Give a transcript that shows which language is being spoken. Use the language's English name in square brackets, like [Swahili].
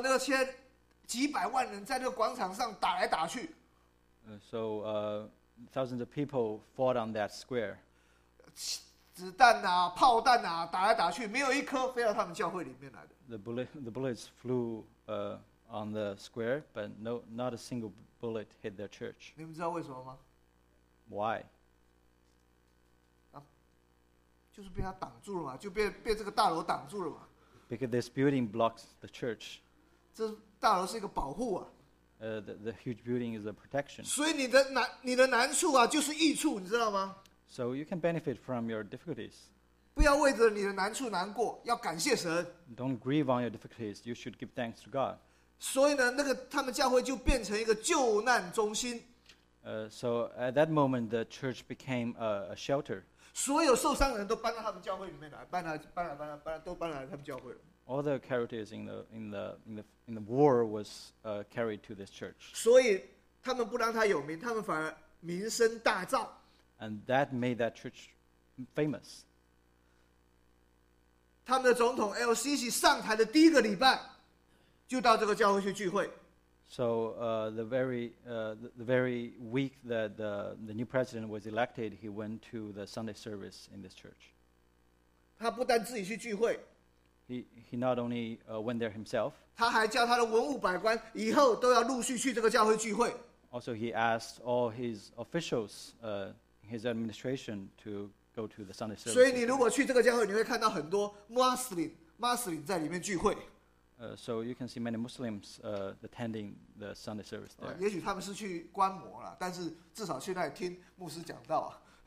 [Chinese] 那些几百万人在那个广场上打来打去。 [English] So thousands of people fought on that square. [Chinese] 子弹啊，炮弹啊，打来打去，没有一颗飞到他们教会里面来的。 [English] The bullets flew on the square, but no, not a single bullet hit their church. [Chinese] 你们知道为什么吗？ [English] Why? [Chinese] 啊，就是被他挡住了嘛，就被这个大楼挡住了嘛。 [English] Because this building blocks the church. [Chinese] 这大楼是一个保护啊。 [English] The huge building is a protection. [Chinese] 所以你的难处啊，就是益处，你知道吗？ [English] So you can benefit from your difficulties. [Chinese] 不要为着你的难处难过，要感谢神。 [English] Don't grieve on your difficulties. You should give thanks to God. [Chinese] 所以呢，那个他们教会就变成一个救难中心。 [English] So at that moment, the church became a shelter. [Chinese] 所有受伤的人都搬到他们教会里面来，搬来他们教会了。 [English] All the characters in the war was carried to this church. [Chinese] 所以他们不让他有名，他们反而名声大噪。 [English] And that made that church famous. [Chinese] 他们的总统 LCC 上台的第一个礼拜，就到这个教会去聚会。 [English] So the very week that the new president was elected, he went to the Sunday service in this church. [Chinese] 他不但自己去聚会。 [English] He not only went there himself. [Chinese] 他还叫他的文武百官以后都要陆续去这个教会聚会。 [English] Also, he asked all his officials, his administration, to go to the Sunday service. [Chinese] 所以你如果去这个教会，你会看到很多 Muslim 在里面聚会。 [English] So you can see many Muslims attending the Sunday service there. [Chinese] 也许他们是去观摩了，但是至少去那里听牧师讲道啊。